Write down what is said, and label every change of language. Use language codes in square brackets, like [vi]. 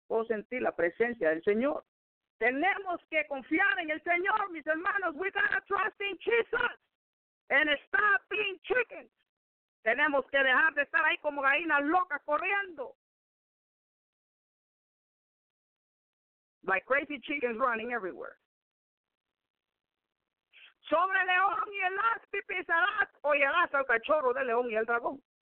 [es] Puedo sentir la presencia del Señor. Tenemos que confiar en el Señor, mis hermanos. [en] We gotta trust in Jesus and stop being chickens. [es] Tenemos que dejar de estar ahí como gallinas locas corriendo. [en] Like crazy chickens running everywhere. [es] Sobre el león y el áspid pisarás, o llegarás al cachorro del león y el dragón.